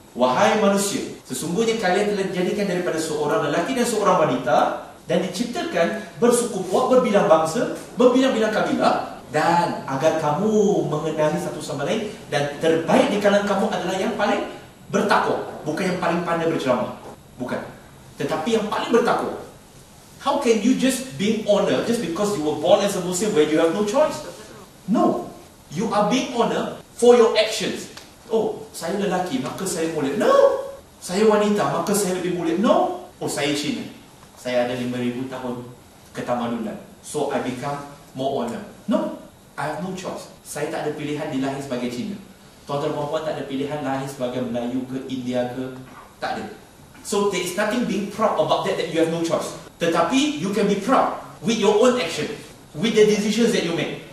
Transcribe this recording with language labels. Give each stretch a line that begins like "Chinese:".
Malay: Wahai manusia, sesungguhnya kalian telah dijadikan daripada seorang lelaki dan seorang wanita, dan diciptakan bersuku kuat, berbilang bangsa, berbilang-bilang kabilah, dan agar kamu mengenali satu sama lain, dan terbaik di kalangan kamu adalah yang paling bertakwa, bukan yang paling pandai berceramah, bukan, tetapi yang paling bertakwa.
English: How can you just being honored just because you were born as a Muslim where you have no choice? No, you are being honored for your actions.
Malay: Oh, saya lelaki maka saya mulia. No, saya wanita maka saya lebih mulia. No, oh saya Cina, saya ada 5000 tahun ketamadunan, so I become more honored. No, I have no choice. Saya tak ada pilihan dilahir sebagai Cina. Tuan-tuan perempuan tak ada pilihan lahir sebagai Melayu ke India ke. Tak ada.
English: So there is nothing being proud about that, that you have no choice. Tetapi you can be proud with your own action, with the decisions that you make.